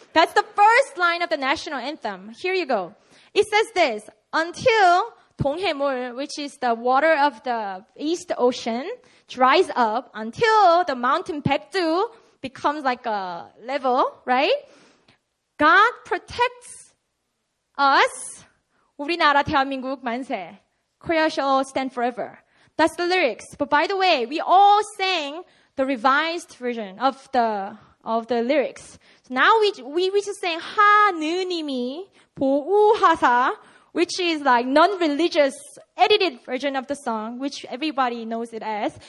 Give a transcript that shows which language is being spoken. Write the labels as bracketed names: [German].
[English] That's the first line of the national anthem. Here you go. It says this, until 동해물, which is the water of the East Ocean, dries up, until the mountain Baekdu becomes like a level, right? God protects us. [Korean] 우리나라 대한민국 만세. [English] Korea shall stand forever. That's the lyrics. But by the way, we all sang the revised version of the lyrics. So now we just saying [Korean] 하느님이 보호하사, [English] which is like non-religious edited version of the song, which everybody knows it as.